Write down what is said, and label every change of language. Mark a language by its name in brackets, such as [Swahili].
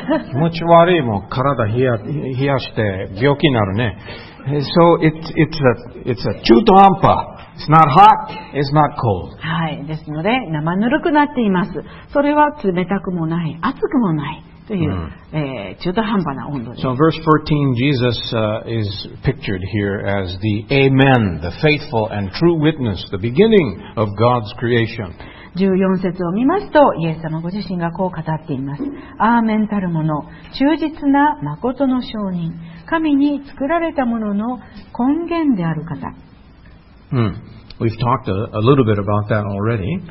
[Japanese] 気持ち悪い、もう体冷やして病気になるね。 [English] So it's a 中途半端。It's not hot, it's not cold. [Japanese] はい、ですので生ぬるくなっています。それは冷たくもない、暑くもないという、中途半端な温度です。 [English] So verse 14, Jesus is pictured here as the Amen, the faithful and true witness, the beginning of God's creation. [Japanese] 14節を見ますと、イエス様ご自身がこう語っています。アーメンたるもの、忠実な誠の証人、神に作られたものの根源である方。 [English] We've talked a little bit about that already.